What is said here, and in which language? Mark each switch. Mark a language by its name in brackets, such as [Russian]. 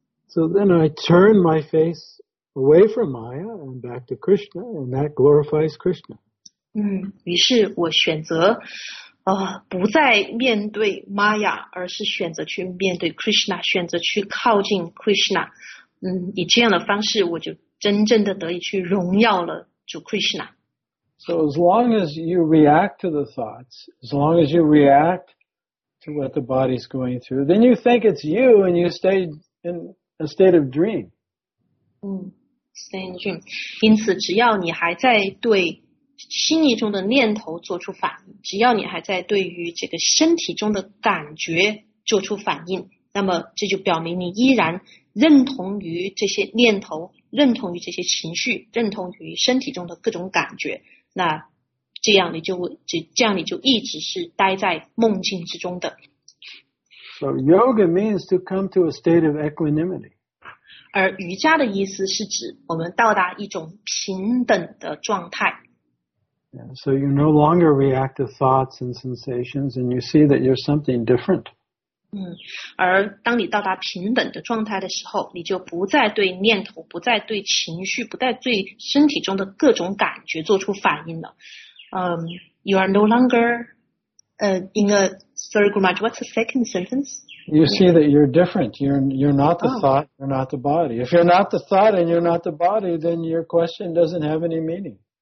[English] So then I turn my face away from Maya and back to Krishna, and that glorifies Krishna. [Chinese] 于是我选择，不再面对玛雅，而是选择去面对 Krishna， 选择去靠近 Krishna。以这样的方式，我就真正的得以去荣耀了主 Krishna。 [English] So as long as you react to the thoughts, as long as you react to what the body's going through, then you think it's you and you stay in a state of dream. Stay in dream. [Chinese] 因此只要你还在对心意中的念头做出反应，只要你还在对于这个身体中的感觉做出反应，那么这就表明你依然认同于这些念头，认同于这些情绪，认同于身体中的各种感觉。那这样你就一直是待在梦境之中的。 [English] So yoga means to come to a state of equanimity. [Chinese] 而瑜伽的意思是指我们到达一种平等的状态。 [English] Yeah, so you no longer react to thoughts and sensations, and you see that you're something different. [Chinese] 而当你到达平等的状态的时候，你就不再对念头，不再对情绪，不再对身体中的各种感觉做出反应了。 [English] You are no longer, in a, sorry, Gurumaj, what's the second sentence? You see that you're different. You're not the thought, you're not the body. If you're not the thought and you're not the body, then your question doesn't have any meaning.